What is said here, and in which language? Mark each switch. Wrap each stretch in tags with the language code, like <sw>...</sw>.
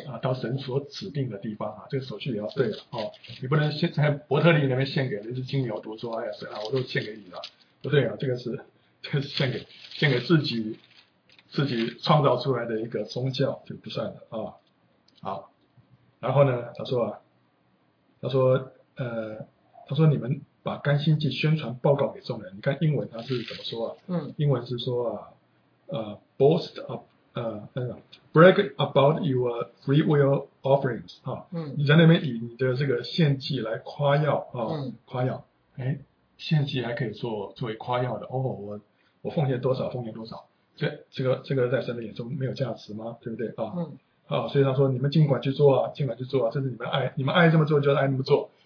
<zh>啊，到神所指定的地方啊，这个手续也要对了哦，你不能献在伯特利那边献给那只金牛犊说，哎呀神啊，我都献给你了，不对啊，这个是献给自己。自己创造出来的一个宗教就不算了啊、哦。好，然后呢，他说你们把甘心祭宣传报告给众人。你看英文他是怎么说啊？嗯，英文是说啊，</zh> <en>boast up， brag about your free will offerings 啊、哦。</en> <zh>你在那边以你的这个献祭来夸耀啊、哦嗯，夸耀。哎，献祭还可以作为夸耀的哦，我奉献多少，奉献多少。这个在神的眼中没有价值吗？对不对啊？嗯。啊，所以他说你们尽管去做啊，尽管去做啊，这是你们爱这么做就爱那么做。</zh>